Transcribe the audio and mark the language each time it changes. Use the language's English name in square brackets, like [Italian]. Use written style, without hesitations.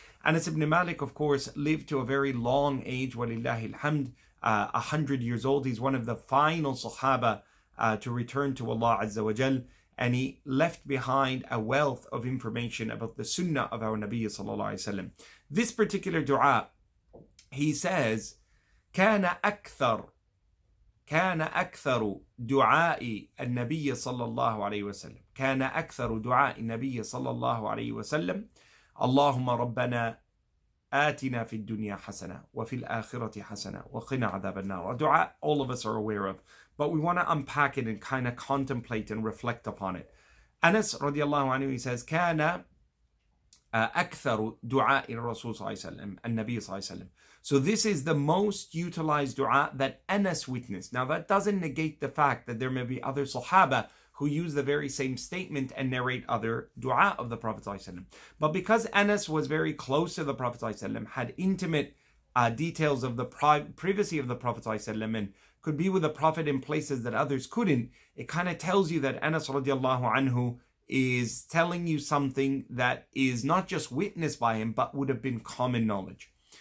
[English] Anas ibn Malik, of course, lived to a very long age, walillahi alhamd, 100 years old. He's one of the final Sahaba to return to Allah Azza wa Jal, and he left behind a wealth of information about the Sunnah of our Nabi sallallahu alayhi wa sallam. This particular dua, he says, [Arabic] كان أكثر كان أكثر دعاء النبي صلى الله عليه وسلم كان أكثر دعاء النبي صلى الله عليه وسلم اللهم ربنا آتنا في الدنيا حسنة وفي الآخرة حسنة وقنا عذاب النار. [English] A dua all of us are aware of, but we want to unpack it and kind of contemplate and reflect upon it. [Arabic] Anas رضي الله عنه, [English] he says, [Arabic] كان أكثر دعاء الرسول صلى الله عليه وسلم النبي صلى الله عليه وسلم. [English] So this is the most utilized dua that Anas witnessed. Now that doesn't negate the fact that there may be other Sahaba who use the very same statement and narrate other dua of the Prophet ﷺ. But because Anas was very close to the Prophet ﷺ, had intimate details of the privacy of the Prophet ﷺ and could be with the Prophet in places that others couldn't, it kind of tells you that Anas radiallahu anhu is telling you something that is not just witnessed by him, but would have been common knowledge.